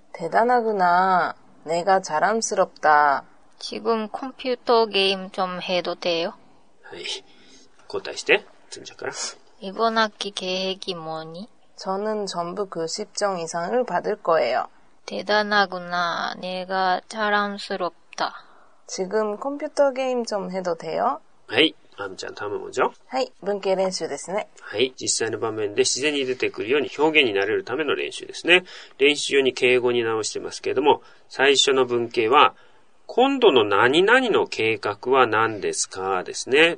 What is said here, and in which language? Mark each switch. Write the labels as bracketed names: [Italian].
[Korean] 대단하구나내가자랑스럽다 지금컴퓨터게임좀해도돼요 [Japanese] はい交代して順着から [Korean] 이번학기계획이뭐니 저는전부90점이상을받을거예요 대단하구나내가자랑스럽다 지금컴퓨터게임좀해도돼요 はい아미ちゃん다음은뭐죠 [Japanese] はい文型練習ですねはい実際の場面で自然に出てくるように表現になれるための練習ですね練習用に敬語に直してますけれども最初の文型は今度の何々の計画は何ですかですね。